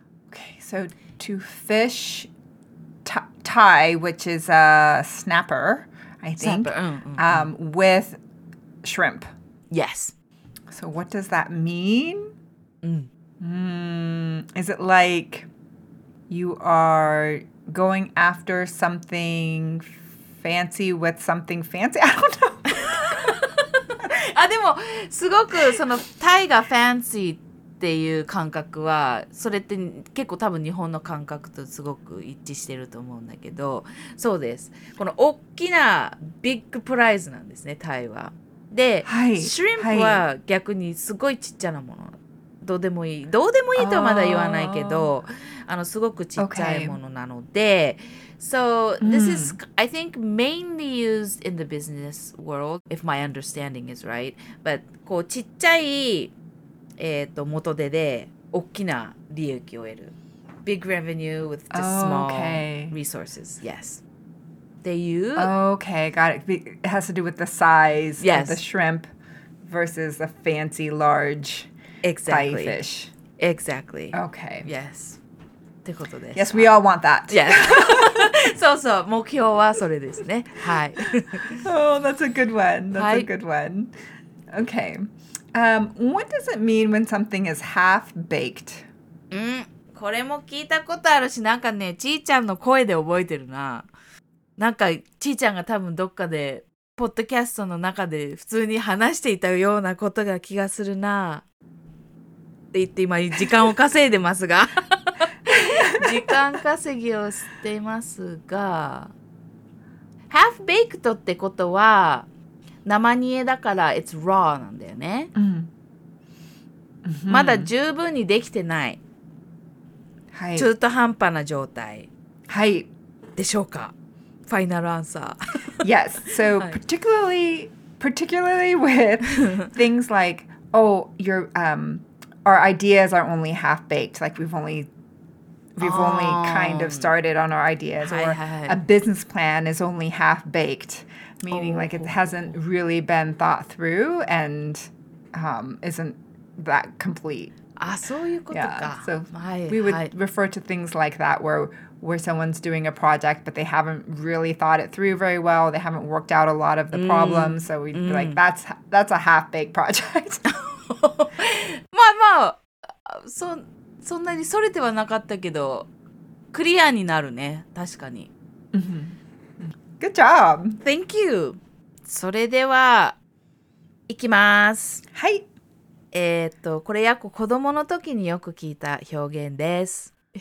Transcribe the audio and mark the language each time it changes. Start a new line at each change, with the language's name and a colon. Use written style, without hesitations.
English: Okay, so to fish Thai, which is a snapper, I think, with shrimp. Yes. So what does that mean? Is it like you are going after something fancy with something fancy? I don't know.
Japanese: あ、でもすごくそのタイがファンシーっていう感覚はそれって結構多分日本の感覚とすごく一致してると思うんだけど、そうです、この大きなビッグプライズなんですね、タイは。で、はい、シュリンプは逆にすごいちっちゃなもの、どうでもいい、どうでもいいとはまだ言わないけど、あのすごくちっちゃいものなので、okay.
English: So this is I think mainly used in the business world if my understanding is right, but
Japanese: こうちっちゃい元手で大きな利益を得る。
English: Big revenue with just small、 oh, okay. resources. Yes.
Japanese: で、いう。
English: Okay, got it. It has to do with the size、 yes. of the shrimp versus a fancy large exactly. Thai fish. Exactly. Okay.
Japanese: Yes. ってことです。
English: Yes, we all want that. Yes.
Japanese: そうそう、目標はそれですね。はい。
English: Oh, that's a good one. That's、はい、a good one. Okay. What does it mean when something is half baked?
Japanese: これも聞いたことあるし、なんかね、ちーちゃんの声で覚えてるな。なんかちーちゃんが多分どっかでポッドキャストの中で普通に話していたようなことが気がするなって言って今時間を稼いでますが時間稼ぎをしてますが、 half baked ってことは生煮えだから
English: it's raw
Japanese: なんだよね、うん、まだ十分にできてない、はい、中途半端な状態、はい、でしょうか、ファイナルアンサー
English: Yes, so、はい、particularly with things like oh, your, our ideas are only half baked, like we've only kind of started on our ideas、
Japanese: はいはいはい、
English: or a business plan is only half bakedMeaning, like, it hasn't really been thought through and、isn't that complete.
Japanese: Ah, そういうことか。
English: Yeah, so we would refer to things like that where someone's doing a project, but they haven't really thought it through very well. They haven't worked out a lot of the problems. So we'd be like, that's a half-baked project.
Japanese: まあまあ、そんなにそれではなかったけど、クリアになるね、確かに。
English: Good job. Thank you.
Japanese: それでは、いきます。はい。これ、やっぱ子供の時によく聞いた表現です。